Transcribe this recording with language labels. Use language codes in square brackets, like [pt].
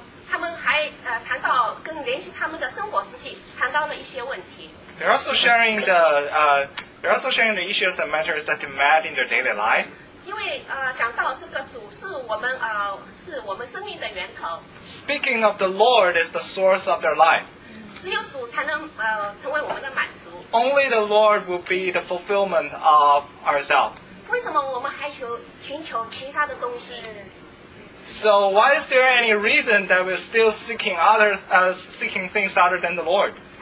[zh] 他们还谈到跟联系他们的生活实际，谈到了一些问题。 [en] They're also sharing the issues and matters that they met in their daily life. [zh] 因为讲到这个主是我们生命的源头。 [en] Speaking of the Lord is the source of their life. [zh] 只有主才能成为我们的满足。 [en] Only the Lord will be the fulfillment of ourselves. [zh] 为什么我们还寻求其他的东西？ [en] So why is there any reason that we're still seeking other seeking things other than the Lord?